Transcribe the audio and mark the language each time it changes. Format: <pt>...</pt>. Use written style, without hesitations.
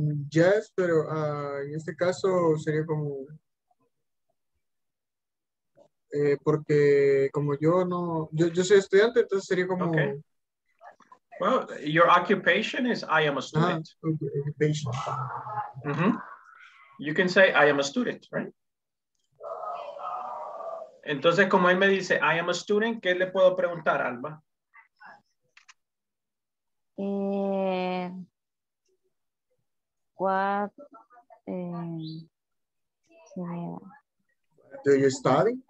<es>Yes, pero en este caso sería como porque como yo no yo soy estudiante, entonces sería como</es> <en>okay. Well, your occupation is I am a student. Occupation. Mm-hmm. You can say I am a student, right?</en> <es>Entonces, como él me dice</es> <en>I am a student,</en> <es>¿qué le puedo preguntar, Alba?</es> <en>What do you study?</en>